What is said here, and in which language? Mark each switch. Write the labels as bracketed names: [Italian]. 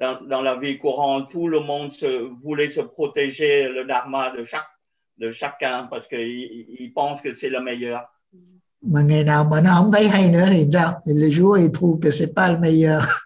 [French] Dans la vie courante, tout le monde voulait se protéger le dharma de chacun parce qu'il pense que c'est le meilleur. [Vietnamese] Mà ngày nào mà nó không thấy hay nữa thì sao? [French] Thì le jour il trouve que c'est pas le meilleur.